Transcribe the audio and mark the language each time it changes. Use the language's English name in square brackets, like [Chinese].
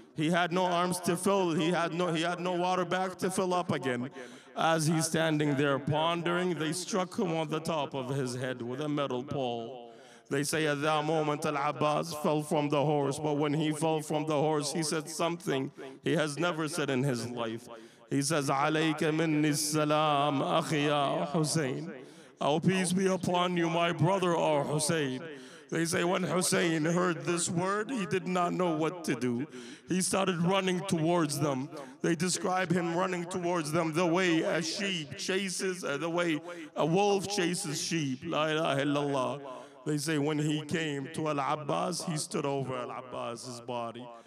[English] He had no arms to fill. He had no water back to fill up again. As he's standing there pondering, they struck him on the top of his head with a metal pole. They say at that moment Al-Abbas fell from the horse, but when he fell from the horse, he said something he has never said in his life. He says, [Arabic] عَلَيْكَ مِنِّي السَّلَامُ أَخِيَا Hussein. [English] Oh, peace be upon you, my brother, or Hussein. They say when Hussein heard this word, he did not know what to do. He started running towards them. They describe him running towards them the way a sheep chases, the way a wolf chases sheep. [Arabic] La ilaha illallah. [English] They say when he came to Al-Abbas, he stood over Al-Abbas's body.